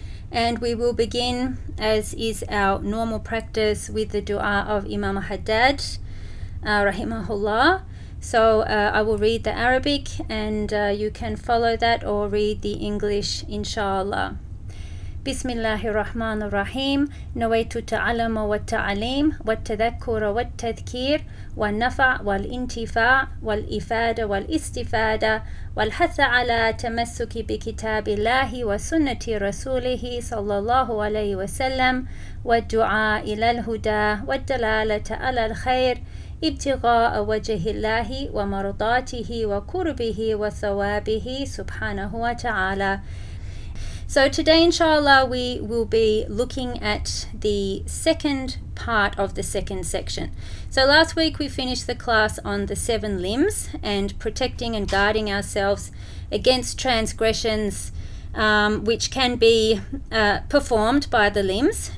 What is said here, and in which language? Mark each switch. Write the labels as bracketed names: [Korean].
[English] And we will begin, as is our normal practice, with the dua of Imam Haddad, rahimahullah. So I will read the Arabic, and you can follow that or read the English, inshallah. [Arabic] Bismillahirrahmanirrahim. Nawaitu ta'alama wa ta'alim, wa tadhakkura wa tadhkir, wa nafa' wal intifa' wal ifada wal istifada, والحث على تمسك بكتاب الله وسنة رسوله صلى الله عليه وسلم والدعاء إلى الهدى والدلالة على الخير ابتغاء وجه الله ومرضاته وقربه وثوابه سبحانه وتعالى. [English] So today, inshallah, we will be looking at the second part of the second section. So last week we finished the class on the seven limbs and protecting and guarding ourselves against transgressions which can be performed by the limbs.